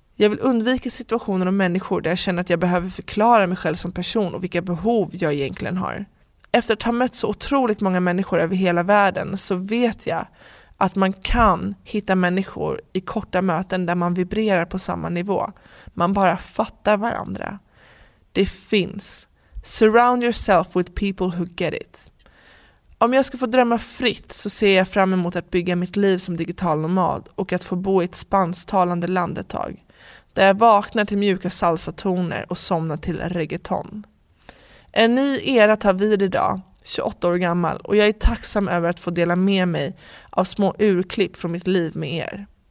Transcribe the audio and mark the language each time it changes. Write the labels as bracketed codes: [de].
[sv] Jag vill undvika situationer och människor där jag känner att jag behöver förklara mig själv som person och vilka behov jag egentligen har. Efter att ha mött så otroligt många människor över hela världen så vet jag att man kan hitta människor i korta möten där man vibrerar på samma nivå. Man bara fattar varandra. Det finns. [en] Surround yourself with people who get it. [sv] Om jag ska få drömma fritt så ser jag fram emot att bygga mitt liv som digital nomad och att få bo i ett spansktalande land ett tag. Där jag vaknar till mjuka salsatoner och somnar till reggaeton. En ny era tar vid idag, 28 år gammal, och jag är tacksam över att få dela med mig av små urklipp från mitt liv med er.